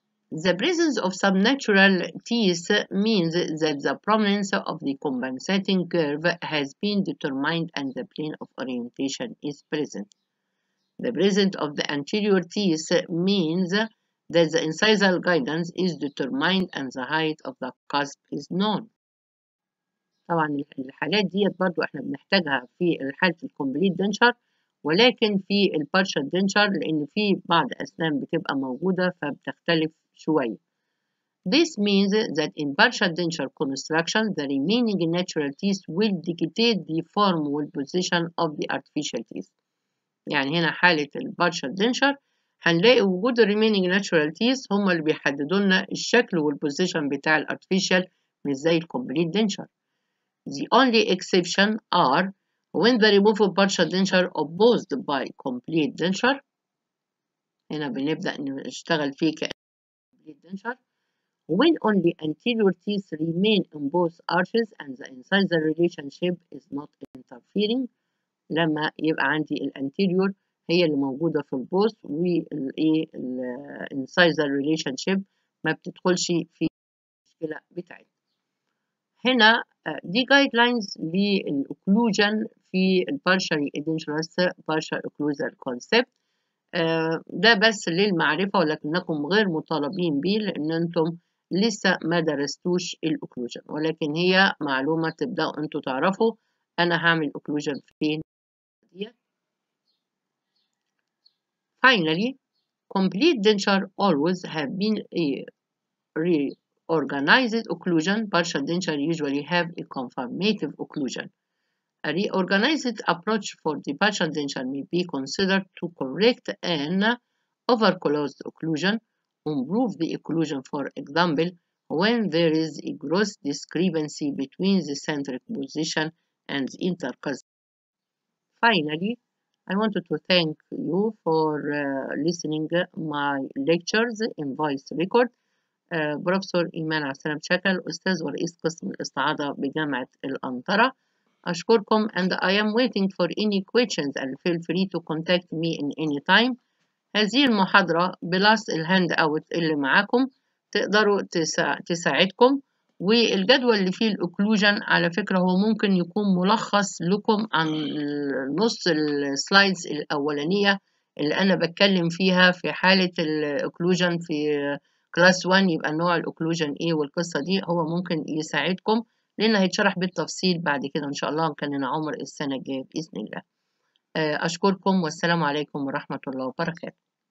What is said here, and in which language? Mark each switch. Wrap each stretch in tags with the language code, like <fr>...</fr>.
<en>the presence of subnatural teeth means that the prominence of the compensating curve has been determined and the plane of orientation is present. The presence of the anterior teeth means that the incisal guidance is determined and the height of the cusp is known.</en> <ar>طبعا الحالات دي برضو احنا بنحتاجها في الحالة الكمبليت دنشر ولكن في البارشال دنشر لان في بعض اسنان بتبقى موجودة فبتختلف شوية.</ar> <en>This means that in partial denture construction the remaining natural teeth will dictate the form or position of the artificial teeth.</en> <ar>يعني هنا حالة البارشال دنشر هنلاقي وجود الريمينينج ناتشورال تيس هما اللي بيحددوا لنا الشكل والبوزيشن بتاع الارتفيشال مش زي الكومبليت دنشر.</ar> <en>The only exception are when the removal partial denture opposed by complete denture.</en> <ar>هنا بنبدأ نشتغل فيه كـcomplete denture.</ar> <en>When only anterior teeth remain in both arches and the incisor relationship is not interfering.</en> <ar>لما يبقى عندي الانتيريور هي اللي موجودة في البوس والإنسايزر ريليشنشيب ما بتدخلش في المشكلة بتاعتها. هنا دي guidelines للأوكلوجن في البارشال إدنشرس بارشال أوكلوزر كونسبت. ده بس للمعرفة ولكنكم غير مطالبين به لأن أنتم لسه ما درستوش الأوكلوجن ولكن هي معلومة تبدأوا أنتم تعرفوا أنا هعمل أوكلوجن فين.</ar> <en>Finally, complete denture always have been a reorganized occlusion. Partial denture usually have a conformative occlusion. A reorganized approach for the partial denture may be considered to correct an overclosed occlusion, improve the occlusion, for example, when there is a gross discrepancy between the centric position and the intercusp. Finally, I wanted to thank you for listening my lectures in voice record.</en> <ar>Professor Iman Asalam Chakal, أستاذ ورئيس قسم الاستعاضة بجامعة الأنطرة. أشكركم</ar> <en>and I am waiting for any questions and feel free to contact me in any time.</en> <ar>هذه المحاضرة بلاس الهاند أوت اللي معاكم تقدروا تساعدكم والجدول اللي فيه الأوكلوجن على فكرة هو ممكن يكون ملخص لكم عن نص السلايدز الأولانية اللي أنا بتكلم فيها في حالة الأوكلوجن في كلاس 1 يبقى نوع الأوكلوجن إيه والقصة دي هو ممكن يساعدكم لأن هيتشرح بالتفصيل بعد كده إن شاء الله مكاننا عمر السنة الجاية بإذن الله. أشكركم والسلام عليكم ورحمة الله وبركاته.</ar>